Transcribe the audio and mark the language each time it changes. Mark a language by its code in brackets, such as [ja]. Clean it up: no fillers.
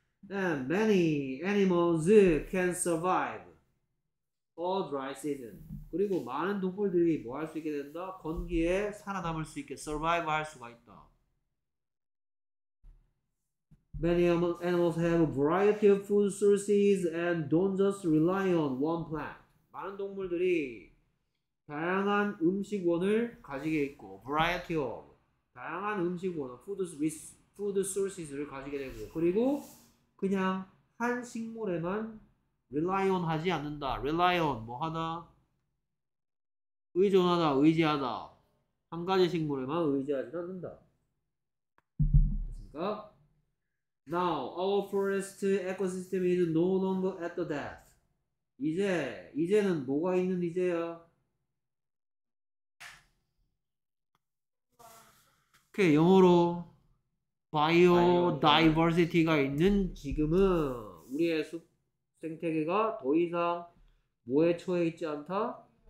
[en] And many animals can survive a dry season. [ko] 그리고 많은 동물들이 뭐 할 수 있게 된다? 건기에 살아남을 수 있게, survive 할 수가 있다. [en] Many animals have a variety of food sources and don't just rely on one plant. [ko] 많은 동물들이 다양한 음식원을 가지게 있고 variety of 다양한 음식원, food sources를 가지게 되고 그리고 그냥 한 식물에만 rely on 하지 않는다. rely on 뭐하다? 의존하다, 의지하다. 한 가지 식물에만 의지하지 않는다. 됐습니까? [en] Now our forest ecosystem is no longer at the death. [ko] 이제는 뭐가 있는 이제야? Okay, 영어로 biodiversity가 있는 지금은 우리의 숲 생태계가 더 이상 뭐에 처해 있지 않다?